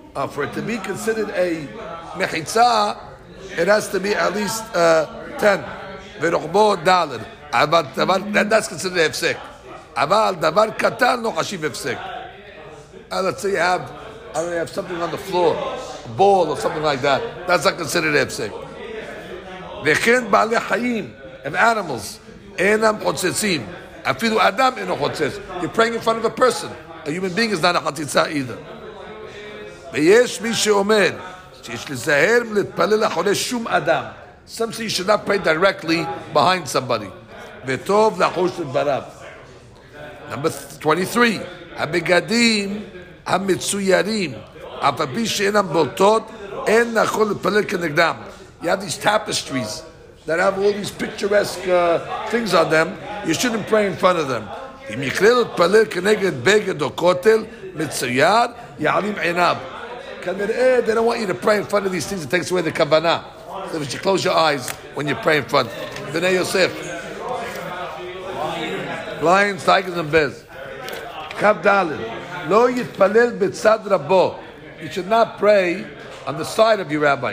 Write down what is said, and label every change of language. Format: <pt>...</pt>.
<en>For it to be considered a me'itzah, it has to be at least 10.</en> <he>Ve'rochbo dalet. Aval davar,</he> <en>that's considered efsek.</en> <he>Aval davar katan lo hashiv efsek.</he> <en>Let's say you have something on the floor, a ball or something like that. That's not considered efsek.</en> <he>וכן בעלי חיים,</he> <en>and animals,</en> <he>אינם חוצצים. אפילו אדם אינו חוצץ.</he> <en>You're praying in front of a person. A human being is not a חציצה either.</en> <he>ויש מי שאומר, שיש לזהר להתפלל אחרי שום אדם.</he> <en>Some say you should not pray directly behind somebody.</en> <he>וטוב לחוש לדבריו. Number 23, הבגדים המצוירים, אף הפי שאינם בולטות, אין נכון להתפלל כנגדם.</he> <en>You have these tapestries that have all these picturesque things on them. You shouldn't pray in front of them.</en> <he>אם יקרה להתפלל כנגד בגד או כותל מצויר, יעלים עיניו. כנראה,</he> <en>they don't want you to pray in front of these things, it takes away the כוונה. So if you close your eyes when you pray in front. בני יוסף. Lions, tigers, and bears.</en> <he>קו דלת. לא יתפלל בצד רבו.</he> <en>You should not pray on the side of your rabbi.</en>